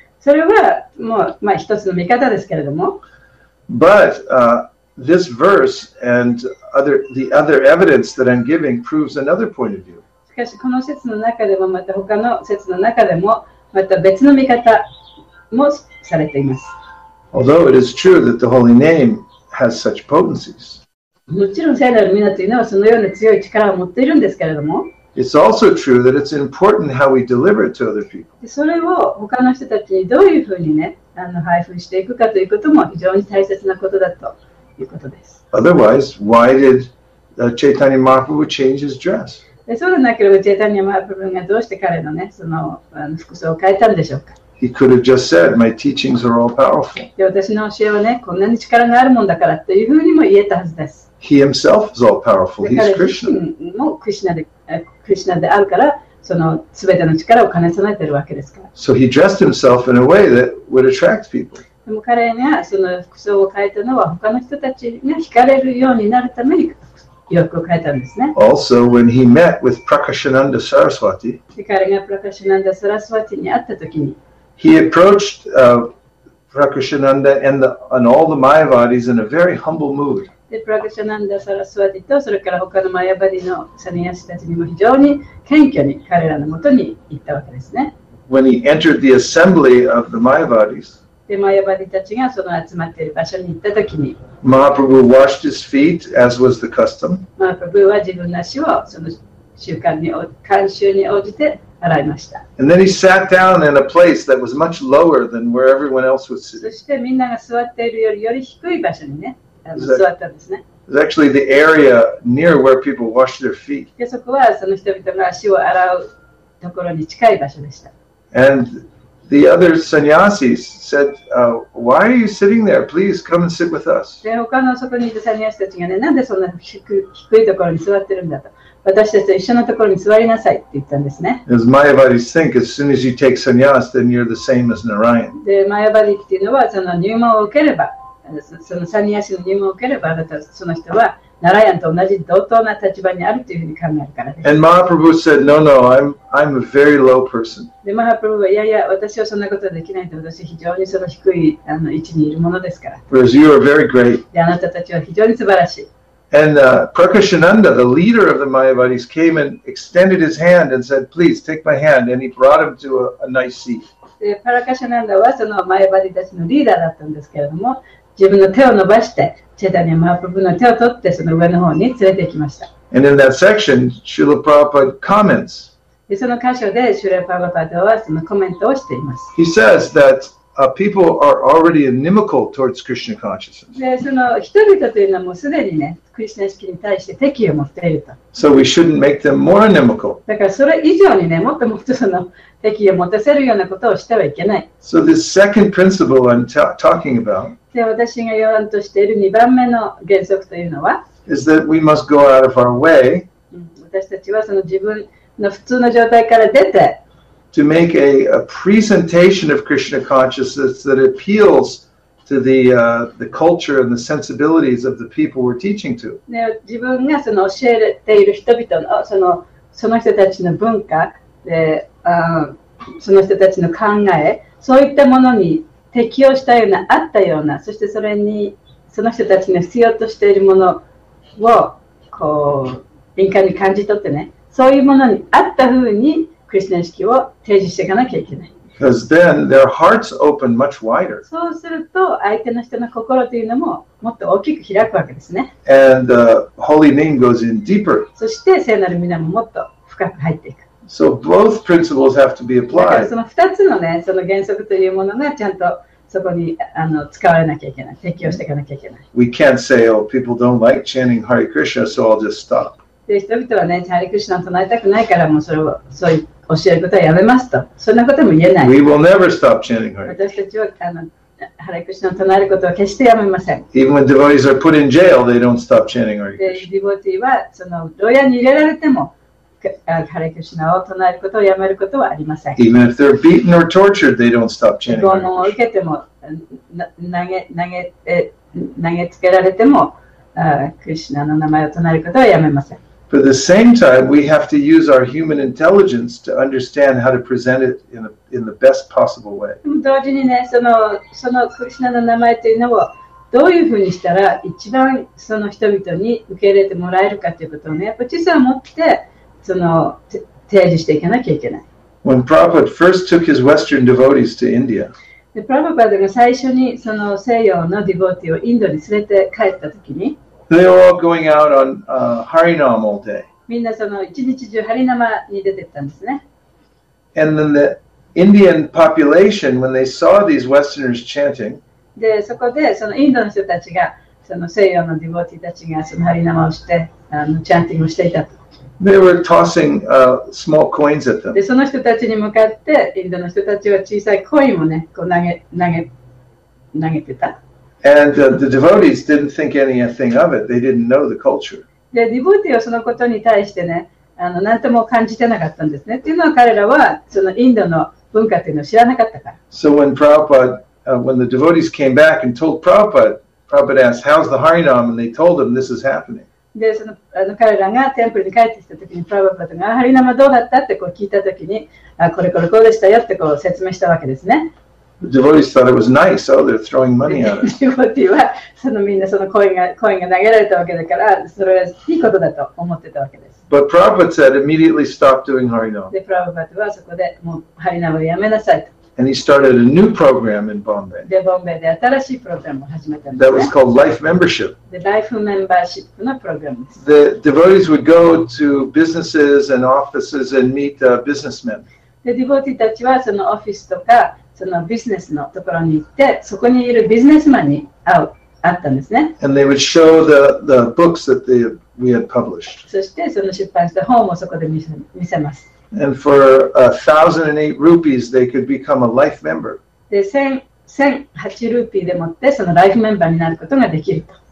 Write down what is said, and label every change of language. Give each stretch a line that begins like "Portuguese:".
Japanese: それはもう、まあ、一つの見方ですけれども。
English: But this verse and the other evidence that I'm giving proves another point of view.
Japanese: しかしこの説の中でもまた他の説の中でもまた別の見方もされています。
English: Although it is true that the holy name has such potencies.
Japanese: もちろん聖なる皆というのはそのような強い力を持っているんですけれども。
English: It's also true that it's important how we deliver it to other people.
Japanese: それを他の人たちにどういうふうにね、配布していくかということも非常に大切なことだということです。
English: Otherwise, why did Chaitanya Mahaprabhu change his dress?
Japanese: でそうでなければチェイタニヤ・マハプラブーがどうして彼のね、その服装を変えたんでしょうか。
English: He could have just said, my teachings are all powerful.
Japanese: で私の教えはね、こんなに力があるもんだからというふうにも言えたはずです。
English: He himself is all powerful. He's Krishna.
Japanese: 彼自身もクリシナであるから、その全ての力を兼ね備えているわけですから。
English: So he dressed himself in a way that would attract people.
Japanese: でも彼がその服装を変えたのは他の人たちが惹かれるようになるためによく書いたんですね。
English: Also, when he met with Prakashananda Saraswati,
Japanese: 彼がプラカシナンダ・サラスワティに会った時に、
English: he approached, Prakashananda and, the, and all the Mayavadis in a very humble mood.
Japanese: で、プラカシナンダ・サラスワティとそれから他のマヤバディのサニヤシたちにも非常に謙虚に彼らのもとに行ったわけですね。
English: When he entered the assembly of the Mayavadis,
Japanese: でマヤバディたちがその集まっている場所に行ったときに、
English: マハプラブー washed his feet, as was the custom.
Japanese: マハプラブーは自分の足をその習慣に、慣習に応じて洗いました。
English: And then he sat down in a place that was much lower than where everyone else was sitting.
Japanese: そしてみんなが座っているより低い場所にね、座ったんですね。
English: It's actually the area near where people wash their feet.
Japanese: で、そこはその人々が足を洗うところに近い場所でした。
English: And... The other sannyasis said,、why are you sitting there? Please come and sit with us.
Japanese: で、他のそこにいるサニヤシたちがね、なんでそんな低いところに座ってるんだと。私たちと一緒のところに座りなさいって言ったんですね。
English: As Mayavadis think, as soon as you take sannyas, then you're the same as Narayan.
Japanese: で、マヤバディっていうのは、その入門を受ければ、そのサニヤシの入門を受ければ、あなたその人は、ナラヤンと同じ同等な立場にあるというふうに考えるからです。
English: And Mahaprabhu said, no, no, I'm a very low person.
Japanese: で、マハプラブーは、いやいや、私はそんなことはできないと、私非常にその低いあの位置にいるものですから。
English: Whereas you are very great.
Japanese: で、あなたたちは非常に素晴らしい。
English: And、Prakashananda, the leader of the Mayavadis, came and extended his hand and said, please take my hand. And he brought him to a nice seat.
Japanese: で、パラカシナンダはそのマヤバディたちのリーダーだったんですけれども、自分の手を伸ばして、チェタニア・マハプラブーの手を取ってその上の方に連れて行きました。
English: And in that section, Śrīla Prabhupāda comments.
Japanese: で、その箇所で、シュラ・プラブパドはそのコメントをしています。
English: He says that, people are already inimical towards Krishna consciousness.
Japanese: で、その人々というのはもうすでにね、クリスナ意識に対して敵を持っていると。
English: So we shouldn't make them more inimical.
Japanese: だからそれ以上にね、もっとその敵を持たせるようなことをしてはいけない。
English: So this second principle I'm talking about,
Japanese: で私が言わんとしている2番目の原則というのは
English: is that we must go out of our way
Japanese: 私たちはその自分の普通の状態から出て
English: to make a presentation of Krishna consciousness that appeals to the,、the culture and the sensibilities of the people we're teaching to
Japanese: で自分がその教えている人々のその人たちの文化で、その人たちの考えそういったものに適応したようなあったようなそしてそれにその人たちが必要としているものをこう敏感に感じ取ってねそういうものにあったふうにクリスナ意識を提示していかなきゃいけない
English: Because then their hearts open much wider.
Japanese: そうすると相手の人の心というのももっと大きく開くわけですね
English: And the holy name goes in deeper.
Japanese: そして聖なる皆ももっと深く入っていく
English: So both principles have to be applied.
Japanese: その2つのね、その原則というものがちゃんとそこにあの使われなきゃいけない、適用していかなきゃいけない。
English: We can't say, oh, people don't like chanting Hare Krishna, so I'll just stop.
Japanese: で、人々はね、ハリクリシナを唱えたくないから、もうそれをそういう教えることはやめますと。そんなことも言えない。
English: We will never stop chanting Hare
Japanese: Krishna. 私たちはあのハリクリシナを唱えることは決してやめません。
English: Even when devotees are put in jail, they don't stop chanting Hare Krishna.
Japanese: で、ディボティはその牢屋に入れられても、ハレクシナを唱えることをやめることはありません。
English: Even if they're beaten or tortured, they don't stop chanting.
Japanese: 拷問を受けても、投げつけられても、クリシナの名前を唱えることはやめません。
English: But at the same time, we have to use our human intelligence to understand how to present it in the best possible way.
Japanese: 同時にね、そのクリシナの名前というのをどういうふうにしたら一番その人々に受け入れてもらえるかということをね、やっぱ実は持って。その提示していかなきゃいけない。
English: When Prabhupada first took his Western devotees to India,
Japanese: で、プラブパダが最初にその西洋のディボーティをインドに連れて帰ったときに、
English: they were all going out on Harinam all day.
Japanese: みんなその一日中ハリナマに出てったんですね。
English: And then the Indian population, when they saw these Westerners chanting,
Japanese: で、そこでそのインドの人たちがその西洋のディボーティたちがそのハリナマをしてチャンティングをしていたと。
English: They were tossing, small coins at them.
Japanese: で、その人たちに向かって、インドの人たちは小さいコインをね、こう投げてた。
English: And, the devotees didn't think anything of it. They didn't know the culture.
Japanese: で、ディボティはそのことに対してね、何とも感じてなかったんですね。っていうのは彼らは、そのインドの文化っていうのを知らなかったから。
English: So when Prabhupada, when the devotees came back and told Prabhupada, Prabhupada asked, how's the Harinam? And they told him, this is happening.
Japanese: で、その、彼らがテンプルに帰ってきたときに、プラバパトが、ハリナマどうだったってこう聞いたときに、あ、これこれこうでしたよってこう説明したわけですね。
English: The devotees thought it was nice, so they're throwing money at us.
Japanese: Devotee は、そのみんなそのコインが投げられたわけだから、それはいいことだと思ってたわけです。
English: But Prabhupada said, immediately stop doing Harinama.
Japanese: で、プラバパトはそこで、もうハリナマをやめなさいと。
English: And he started a new program in Bombay.
Japanese: で、ボンベイで新しいプログラムを始めたんですね。
English: That was called Life Membership.
Japanese: で、Life Membership のプログラムです。
English: The devotees would go to businesses and offices and meet businessmen.
Japanese: で、ディボティたちはそのオフィスとかそのビジネスのところに行って、そこにいるビジネスマンに会ったんですね。
English: And they would show the books that we had published.
Japanese: そしてその出版した本をそこで見せます。
English: And for 1,008 rupees, they could become a life member.
Japanese: で、1,008 ルーピーでもって、そのライフメンバーになることができると。